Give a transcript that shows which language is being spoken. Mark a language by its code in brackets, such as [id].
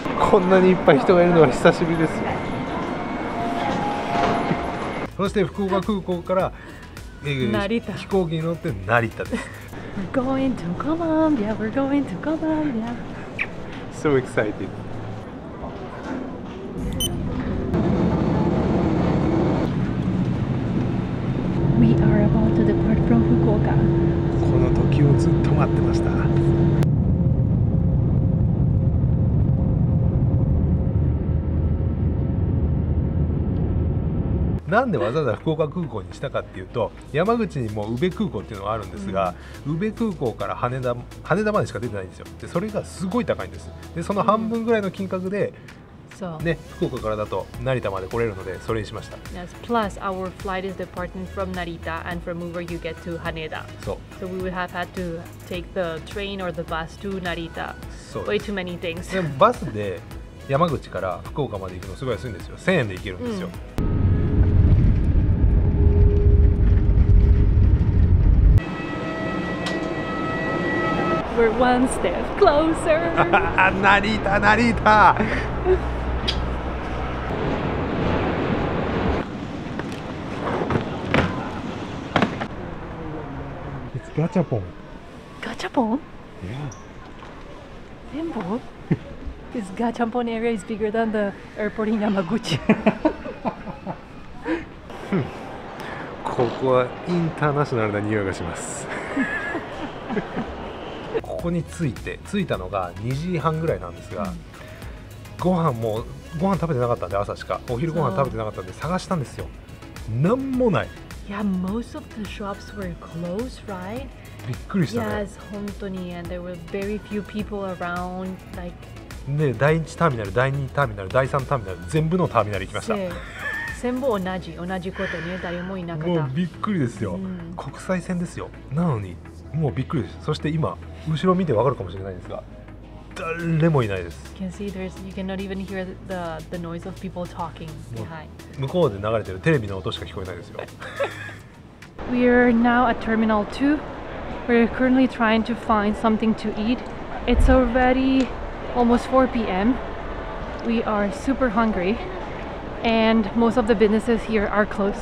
[ja] こんなにいっぱい人がいるのは久しぶりです。そして福岡空港から飛行機に乗って成田です。 [en] We're going to Colombia, we're going to Colombia. So excited. We are about to depart from Fukuoka. [ja] この時をずっと待ってました。なんでわざわざ福岡空港にしたかっていうと、山口にも宇部空港っていうのがあるんですが、宇部空港から羽田までしか出てないんですよ。でそれがすごい高いんです。でその半分ぐらいの金額で、ね、福岡からだと成田まで来れるのでそれにしました。 [en] Yes, plus our flight is departing from Narita and from Uber you get to Haneda. [ja] そう。 [en] So we would have had to take the train or the bus to Narita. [ja] そう。 [en] Way too many things. [ja] でもバスで山口から福岡まで行くのすごい安いんですよ。 1000円で行けるんですよ。 [en] We're one step closer. Narita, Narita. It's gachapon. Gachapon? Yeah. [ja] Tenpo? [en] This gachapon area is bigger than the airport in Yamaguchi. [ja] ここはインターナショナルな匂いがします。ここに着いたのが2時半ぐらいなんですが、ご飯食べてなかったんで、朝しかお昼ご飯食べてなかったんで探したんですよ。なんもない。 [en] いや、most of the shops were closed, right? [ja] びっくりしたね。 [en] Yes, [ja] 本当に、 [en] and there were very few people around, like. [ja] で、第一ターミナル、第二ターミナル、第三ターミナル、全部のターミナル行きました。全部同じことね、誰もいなかった。もうびっくりですよ。国際線ですよ。なのに、もうびっくりです。そして今。後ろ見てわかるかもしれないですが、誰もいないです。 [en] You can see there's, you cannot even hear the noise of people talking behind. [ja] 向こうで流れてるテレビの音しか聞こえないですよ。 [en] We are now at Terminal 2. We're currently trying to find something to eat. It's already almost 4 p.m. We are super hungry, and most of the businesses here are closed.